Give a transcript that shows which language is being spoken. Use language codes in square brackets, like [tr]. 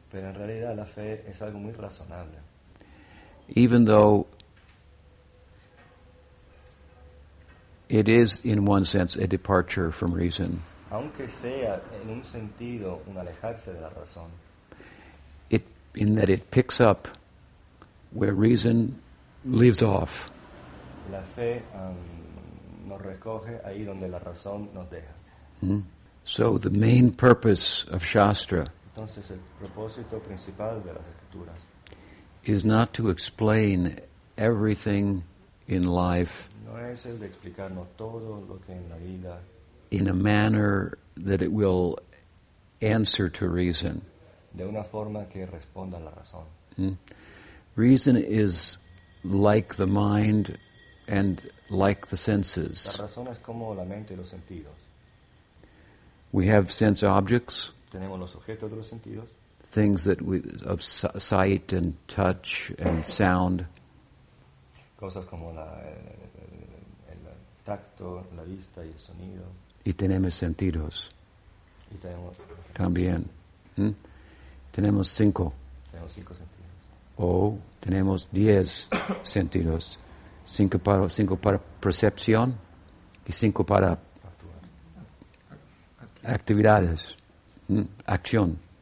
[es] Pero en realidad, la fe es algo muy razonable. [en] Even though it is, in one sense, a departure from reason. [es] Aunque sea en un sentido un alejarse de la razón. [en] In that it picks up where reason leaves off. [es] La fe nos recoge ahí donde la razón nos deja. [en] So the main purpose of Shastra, [es] entonces el propósito principal de las escrituras, [en] is not to explain everything in life [es] no es el de explicarnos todo lo que en la vida [en] in a manner that it will answer to reason. [es] De una forma que responda a la razón. Mm. [en] Reason is like the mind and like the senses. [es] La razón es como la mente y los sentidos. [en] We have sense objects. [es] Tenemos los objetos de los sentidos. [en] Things that we of sight and touch and sound. [es] Cosas como la, el tacto, la vista y el sonido. Y tenemos sentidos. Y tenemos también. ¿Mm? Tenemos cinco. Tenemos cinco sentidos. O tenemos diez sentidos. Cinco para percepción y cinco para actividades. ¿Mm? Acción.